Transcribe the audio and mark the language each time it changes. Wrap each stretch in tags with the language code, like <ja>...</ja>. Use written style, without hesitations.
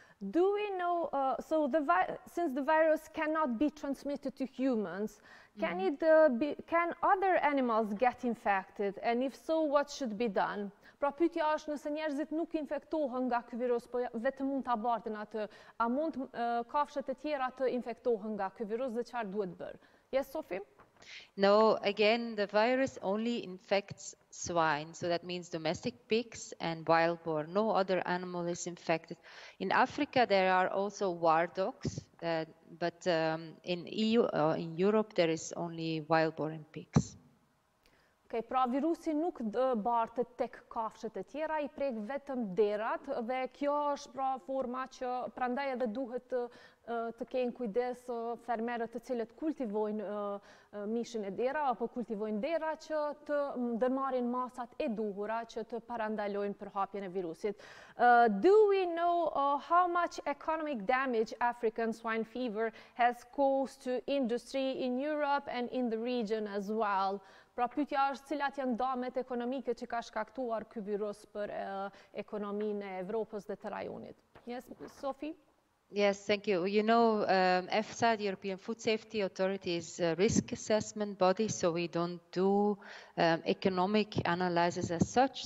<en>Do we know, so since the virus cannot be transmitted to humans, can it be, can other animals get infected? And if so, what should be done?</en> <sq>Pra pyetja është nëse njerëzit nuk infektohen nga ky virus, po vetëm mund ta bartin atë, a mund kafshët e tjera të infektohen nga ky virus dhe çfarë duhet bërë?</sq> <en>Yes, Sophie? No, again, the virus only infects swine, so that means domestic pigs and wild boar. No other animal is infected. In Africa, there are also war dogs, but in EU, in Europe, there is only wild boar and pigs.</en> <sq>Okay, pra virusi nuk bartet tek kafshët e tjera, I prek vetëm derat dhe kjo është pra forma që prandaj edhe duhet të kenë kujdes fermerët të cilët kultivojnë mishin e dera apo kultivojnë dera që të ndërmarin masat e duhura që të parandalojnë përhapjen e virusit.</sq> <en>Do we know how much economic damage African swine fever has caused to industry in Europe and in the region as well?</en> <sq>Pra pyetja është cilat janë dëmet ekonomike që ka shkaktuar ky virus për ekonominë e Evropës dhe të rajonit.</sq> <en>Yes, Sophie? Yes, thank you. You know, EFSA, the European Food Safety Authority, is a risk assessment body, so we don't do economic analysis as such.</en>